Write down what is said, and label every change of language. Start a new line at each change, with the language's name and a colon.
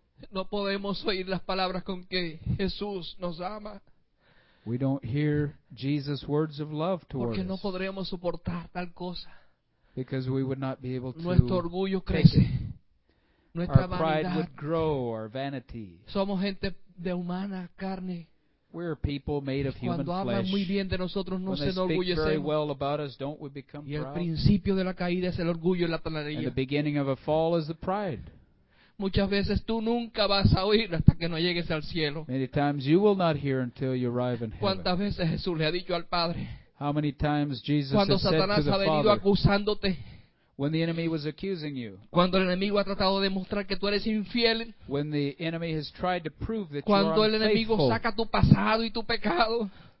Spanish: No podemos oír las palabras con que Jesús nos ama.
English: We don't hear Jesus' words of love towards us.
Spanish: Porque no podremos soportar tal cosa.
English: Because we would not be able to.
Spanish: Nuestro orgullo crece. Nuestra vanidad.
English: Our pride would grow, our vanity.
Spanish: Somos gente de humana carne.
English: We're people made of human flesh.
Spanish: Cuando hablan muy bien de nosotros, no se enorgullecen.
English: When they speak very well about us, don't we become proud?
Spanish: Y el principio de la caída es el orgullo y la altanería.
English: And the beginning of a fall is the pride.
Spanish: Muchas veces tú nunca vas a oír hasta que no llegues al cielo.
English: Many times you will not hear until you arrive in heaven.
Spanish: ¿Cuántas veces Jesús le ha dicho al Padre?
English: How many times Jesus
Spanish: cuando
English: has
Spanish: Satanás
English: said to the
Spanish: ha venido acusándote?
English: When the enemy was accusing you.
Spanish: Cuando el enemigo ha tratado de demostrar que tú eres infiel.
English: When the enemy has tried to prove that
Spanish: cuando
English: you are unfaithful.
Spanish: Cuando el enemigo saca tu pasado y tu pecado.